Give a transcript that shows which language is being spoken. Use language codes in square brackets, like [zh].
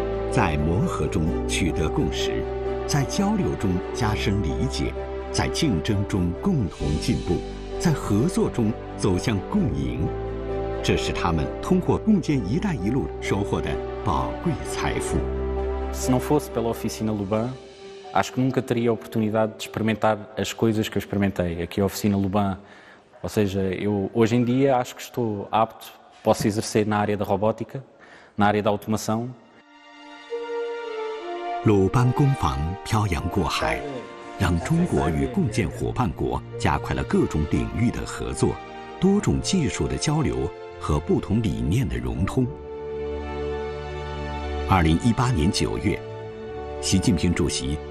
[zh] 在磨合中取得共识，在交流中加深理解，在竞争中共同进步，在合作中走向共赢，这是他们通过共建“一带一路”收获的宝贵财富。 [pt] Se não fosse pela oficina Luban. Acho que nunca teria a oportunidade de experimentar as coisas que eu experimentei aqui à oficina Luban. Ou seja, eu hoje em dia acho que estou apto, posso exercer na área da robótica, na área da automação. [zh] Luban 工坊漂洋过海，让中国与共建伙伴国加快了各种领域的合作，多种技术的交流和不同理念的融通。 2018年9月，习近平主席。